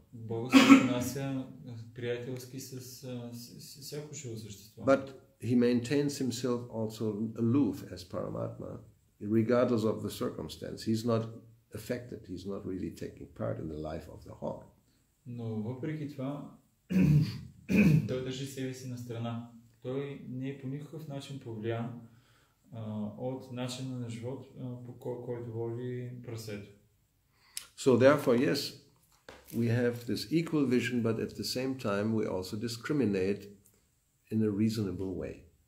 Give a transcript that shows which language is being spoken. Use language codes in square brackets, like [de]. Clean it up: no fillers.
[bg] Бог се отнася приятелски с всяко живо същество. [en] But he maintains himself also aloof as Paramatma, regardless of the circumstance. He's not affected, he's not really taking part in the life of the hawk. [bg] Но въпреки това, той държи себе си на страна. Той не е по никакъв начин повлиян от начина на живот, по който води прасето. [en] So therefore, yes, we have this equal vision, but at the same time we also discriminate in a reasonable way.